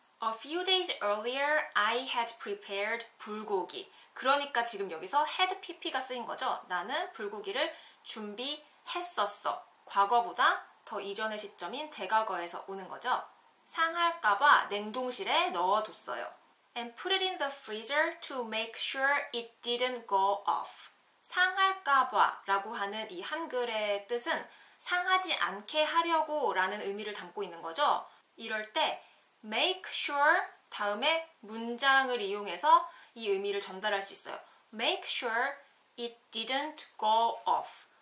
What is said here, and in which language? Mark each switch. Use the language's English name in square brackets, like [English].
[English] A few days earlier, I had prepared 불고기. [Korean] 그러니까 지금 여기서 had PP가 쓰인 거죠. 나는 불고기를 준비했었어. 과거보다 더 이전의 시점인 대과거에서 오는 거죠. 상할까봐 냉동실에 넣어뒀어요. [English] And put it in the freezer to make sure it didn't go off. [Korean] 상할까봐 라고 하는 이 한글의 뜻은 상하지 않게 하려고 라는 의미를 담고 있는 거죠. 이럴 때 make sure 다음에 문장을 이용해서 이 의미를 전달할 수 있어요. [English] Make sure it didn't go off.